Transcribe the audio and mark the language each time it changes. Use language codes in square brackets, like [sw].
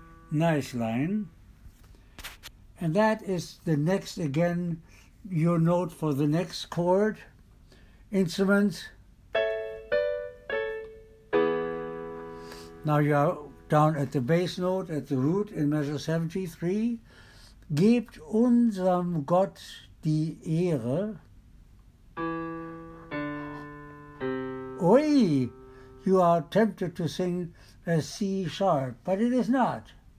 [en] Nice line. And that is the next, again, your note for the next chord. Instruments. Now you are down at the bass note, at the root, in measure 73. [de] Gebt unserem Gott die Ehre. Oi! [en] You are tempted to sing a C sharp, but it is not.